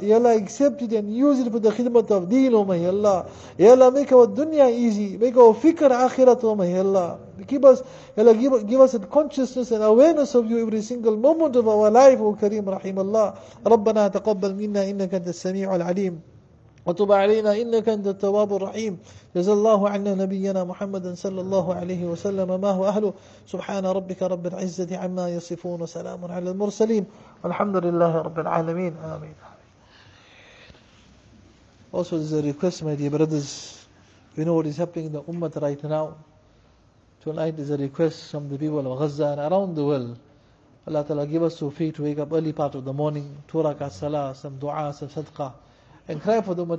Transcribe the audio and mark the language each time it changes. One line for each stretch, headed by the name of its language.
English: Ya Allah, accept it and use it for the khidmat of deen, O my Allah. Ya Allah, make our dunya easy. Make our fikr akhirat, O my Allah. Keep us, Ya Allah, give us a consciousness and awareness of you every single moment of our life, O Kareem, Rahim Allah.
Arabic: Rabbana taqabbal minna innaka antas sami'ul alim. وتب علينا إنك أنت التواب الرحيم جزا الله عنا نبينا محمد صلى الله عليه وسلم ما هو أهله سبحان ربك رب العزة عما يصفون وسلام على المرسلين الحمد لله رب العالمين آمين.
English: Also there's a request, my dear brothers, you know what is happening in the ummah right now. Tonight is a request from the people of Gaza and around the world Allah Ta'ala give us tawfiq to wake up early part of the morning, 2 rakat salah, some dua, some sadqa, and cry for the ummah.